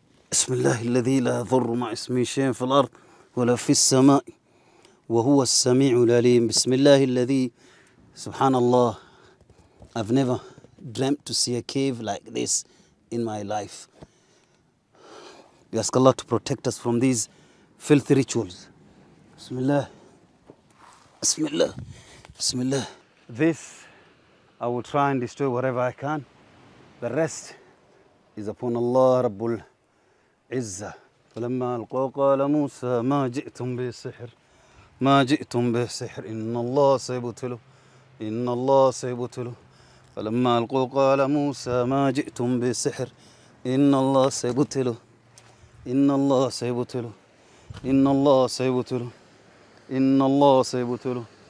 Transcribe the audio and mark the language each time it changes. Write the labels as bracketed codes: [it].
[ar] بسم الله الذي لا يضر مع اسمه شيء في الأرض ولا في السماء وهو السميع العليم. بسم الله الذي سبحان الله. [en] I've never dreamt to see a cave like this in my life. We ask Allah to protect us from these filthy rituals. [ar] بسم الله بسم الله بسم الله. [en] This I will try and destroy whatever I can. The rest is upon Allah [ar] رب عزة. فلما ألقوا قال موسى ما جئتم به سحر ما جئتم به سحر إن الله سيبطله إن الله سيبطله. فلما ألقوا قال موسى ما جئتم به سحر إن الله سيبطله إن الله سيبطله إن الله سيبطله إن الله سيبطله.